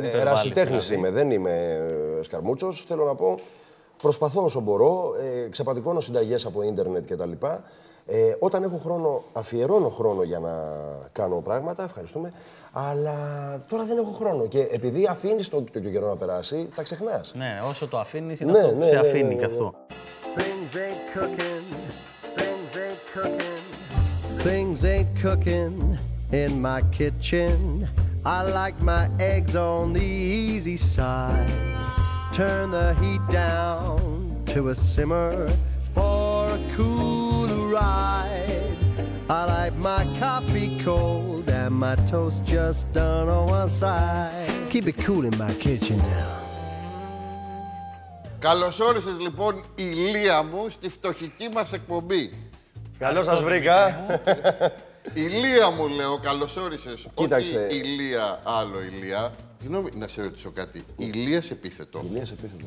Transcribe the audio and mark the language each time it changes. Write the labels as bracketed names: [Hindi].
[Greek] Ερασιτέχνης είμαι, δεν είμαι σκαρμούτσος. Θέλω να πω, προσπαθώ όσο μπορώ. Ξεπατικώνω συνταγές από ίντερνετ κτλ. Όταν έχω χρόνο, αφιερώνω χρόνο για να κάνω πράγματα, ευχαριστούμε. Αλλά τώρα δεν έχω χρόνο. Και επειδή αφήνεις τον το καιρό να περάσει, τα ξεχνάς. Ναι, όσο το αφήνεις, είναι αυτό που σε αφήνει και αυτό. [English] Things ain't cooking, things ain't cooking. Things ain't cooking in my kitchen. I like my eggs on the easy side. Turn the heat down to a simmer for a cool ride. I like my coffee cold. My toast just done on one side. Keep it cool in my kitchen now. [Greek] Καλώς όρισες λοιπόν, Ηλία μου, στη φτωχική μας εκπομπή. Καλώς σας βρήκα. Ηλία μου λέω, καλώς όρισες. Κοίταξε. Όχι Ηλία, άλλο Ηλία. Συγγνώμη, να σε ρωτήσω κάτι. Ηλίας επίθετο. Ηλίας επίθετο.